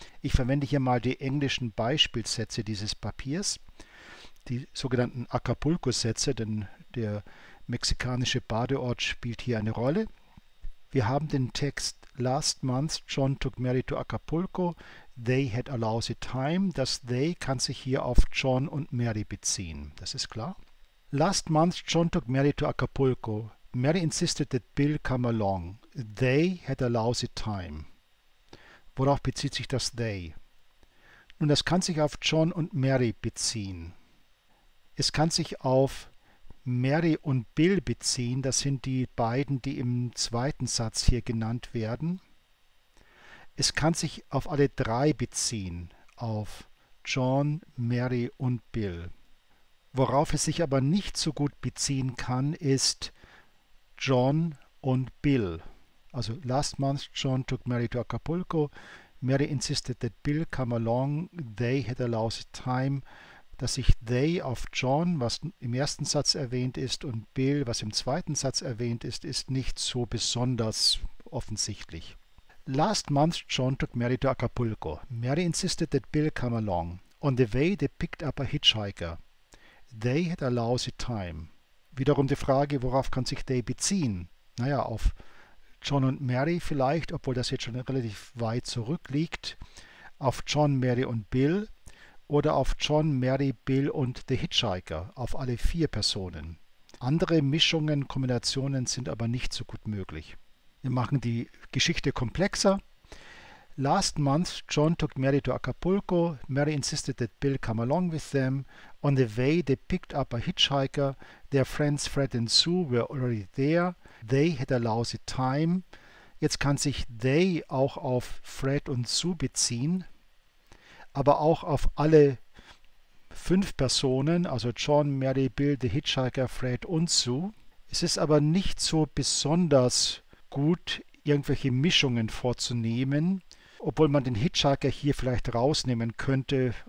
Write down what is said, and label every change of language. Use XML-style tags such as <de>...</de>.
<de>Ich verwende hier mal die englischen Beispielsätze dieses Papiers, die sogenannten Acapulco-Sätze, denn der mexikanische Badeort spielt hier eine Rolle. Wir haben den Text:</de> <en>Last month John took Mary to Acapulco. They had a lousy time.</en> <de>Das they kann sich hier auf John und Mary beziehen. Das ist klar.</de> <en>Last month John took Mary to Acapulco. Mary insisted that Bill come along. They had a lousy time.</en> <de>Worauf bezieht sich das they? Nun, das kann sich auf John und Mary beziehen. Es kann sich auf Mary und Bill beziehen, das sind die beiden, die im zweiten Satz hier genannt werden. Es kann sich auf alle drei beziehen, auf John, Mary und Bill. Worauf es sich aber nicht so gut beziehen kann, ist John und Bill.</de> <en>Also last month John took Mary to Acapulco, Mary insisted that Bill come along, they had a lousy time.</en> <de>Dass sich they auf John, was im ersten Satz erwähnt ist, und Bill, was im zweiten Satz erwähnt ist, ist nicht so besonders offensichtlich.</de> <en>Last month John took Mary to Acapulco. Mary insisted that Bill come along. On the way they picked up a hitchhiker. They had a lousy time.</en> <de>Wiederum die Frage, worauf kann sich they beziehen? Naja, auf John und Mary vielleicht, obwohl das jetzt schon relativ weit zurückliegt. Auf John, Mary und Bill. Oder auf John, Mary, Bill und The Hitchhiker, auf alle vier Personen. Andere Mischungen, Kombinationen sind aber nicht so gut möglich. Wir machen die Geschichte komplexer.</de> <en>Last month John took Mary to Acapulco. Mary insisted that Bill come along with them. On the way they picked up a hitchhiker. Their friends Fred and Sue were already there. They had a lousy time.</en> <de>Jetzt kann sich they auch auf Fred und Sue beziehen. Aber auch auf alle fünf Personen, also John, Mary, Bill, The Hitchhiker, Fred und Sue. Es ist aber nicht so besonders gut, irgendwelche Mischungen vorzunehmen, obwohl man den Hitchhiker hier vielleicht rausnehmen könnte.</de>